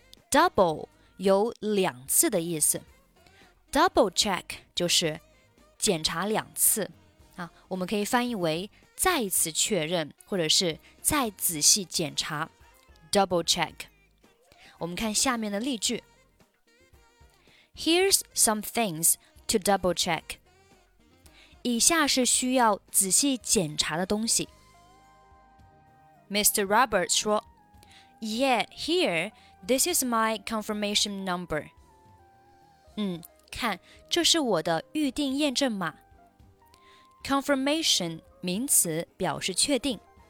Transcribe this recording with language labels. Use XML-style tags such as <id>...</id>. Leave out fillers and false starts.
<zh>Double 有两次的意思。Double check 就是检查两次。啊，我们可以翻译为再次确认或者是再仔细检查。 Double check. 我们看下面的例句。</zh> <en>Here's some things to double check.</en> <zh>以下是需要仔细检查的东西。</zh> <en>Mr. Roberts 说 Yeah, here, this is my confirmation number.</en> <zh>看，这是我的预定验证码。Confirmation, 名词表示确定。</zh>